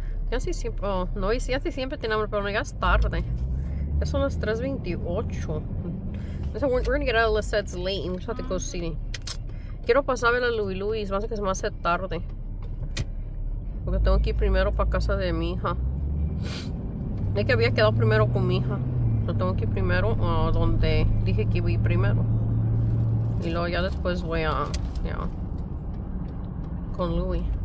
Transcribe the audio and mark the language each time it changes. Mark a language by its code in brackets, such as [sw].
[es] Ya sí siempre tenemos, pero ya es tarde. Ya son las 3:28. [en] So we're gonna get out of Lissette's late and we just have to go see. [es] Quiero pasar a ver a Louis Louis, más que se me hace tarde. Porque tengo que ir primero para casa de mi hija. Es que había quedado primero con mi hija. Yo tengo que ir primero a donde dije que iba a ir primero. Y luego ya después voy a. Ya. Con Louis.